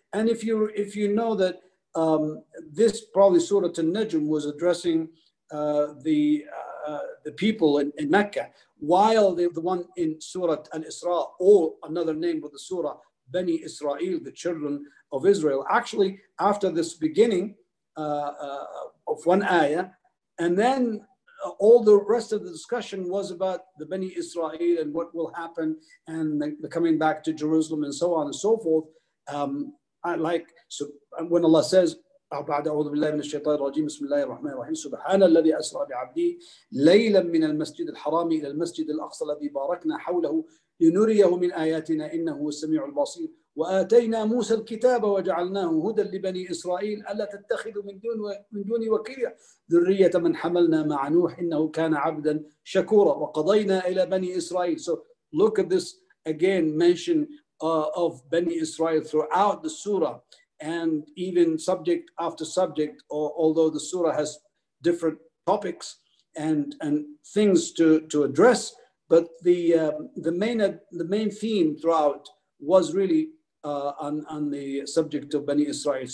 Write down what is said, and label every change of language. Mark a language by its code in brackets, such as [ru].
[en] And if you know that this probably Surah An-Najm was addressing the people in Mecca, while the one in Surah Al-Isra, or another name of the Surah, Bani Israel, the children of Israel, actually after this beginning of one ayah, and then all the rest of the discussion was about the Bani Israel and what will happen and the coming back to Jerusalem and so on and so forth. When Allah says, [ar] بعد أعوذ بالله من الشيطان الرجيم بسم الله الرحمن الرحيم سبحان الذي أسرى بعبده ليلا من المسجد الحرام إلى المسجد الأقصى الذي باركنا حوله لنريه من آياتنا إنه هو السميع البصير وآتينا موسى الكتاب وجعلناه هدى لبني إسرائيل ألا تتخذوا من دوني وكيلا ذرية من حملنا مع نوح إنه كان عبدا شكورا وقضينا إلى بني إسرائيل. [en] So look at this again mention of Bani Israel throughout the surah, and even subject after subject, although the surah has different topics and things to address, but the main theme throughout was really on the subject of Bani Israel.